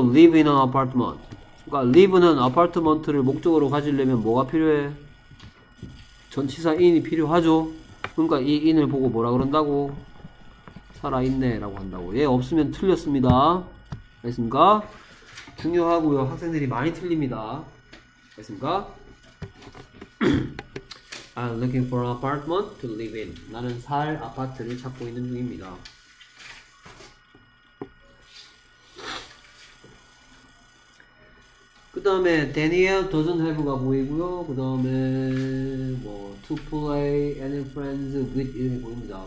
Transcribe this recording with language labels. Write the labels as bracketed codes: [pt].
[en] Live in an apartment. [ko] 그러니까 live는 apartment를 목적으로 가지려면 뭐가 필요해? 전치사 in이 필요하죠? 그러니까 이 in을 보고 뭐라 그런다고? 살아있네 라고 한다고. 얘 없으면 틀렸습니다. 알겠습니까? 중요하고요. 학생들이 많이 틀립니다. 알겠습니까? [en] I'm looking for an apartment to live in. [ko] 나는 살 아파트를 찾고 있는 중입니다. 그 다음에 [en] Daniel doesn't have [ko] 가 보이고요. 그 다음에 뭐 [en] to play any friends with [ko] 이렇게 보입니다.